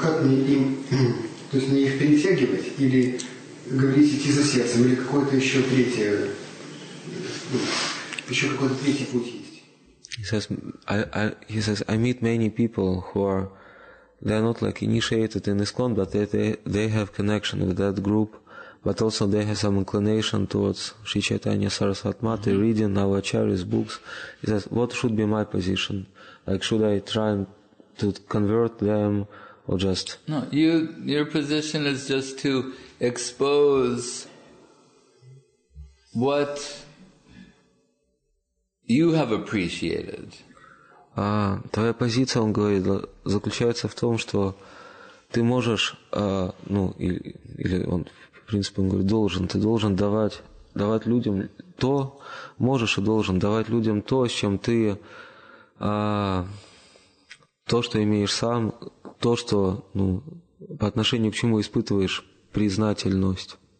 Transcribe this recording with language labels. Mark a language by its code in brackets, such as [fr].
[ru] Как мне им, то есть мне их перетягивать или говорить идти за сердцем, или какое-то еще третье, еще какой-то третий путь есть? [en] He says, I meet many people who are they are not like initiated in ISKCON, but they have connection with that group, but also they have some inclination towards Sri Chaitanya Sarasvatmati, reading our Acharya's books. He says, what should be my position? Like, should I try to convert them or just... No, your position is just to expose what you have appreciated. [ru] Твоя позиция, он говорит, заключается в том, что ты можешь, ты должен давать людям то, можешь и должен давать людям то, с чем ты, то, что имеешь сам, то, что, ну, по отношению к чему испытываешь признательность.